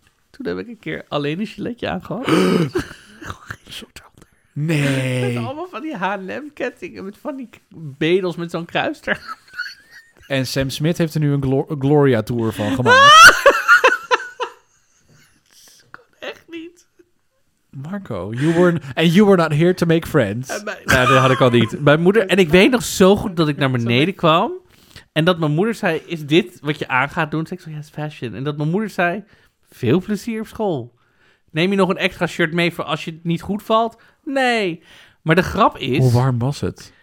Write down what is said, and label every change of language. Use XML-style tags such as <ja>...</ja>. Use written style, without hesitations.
<nl>Toen heb ik een keer alleen een giletje aangehad. Nee. Met allemaal van die H&M-kettingen. Met van die bedels met zo'n kruis er. En Sam Smith heeft er nu een Gloria Tour van gemaakt. Ah! Kan echt niet.</nl> <en>Marco, you were not here to make friends.</en> <nl>Nee, dat had ik al niet. Mijn moeder, en ik weet nog zo goed dat ik naar beneden kwam. En dat mijn moeder zei, is dit wat je aan gaat doen? Dus ik zei,</nl> <en>yes, fashion.</en> <nl>En dat mijn moeder zei, veel plezier op school. Neem je nog een extra shirt mee voor als je het niet goed valt? Nee. Maar de grap is... Hoe warm was het?</nl>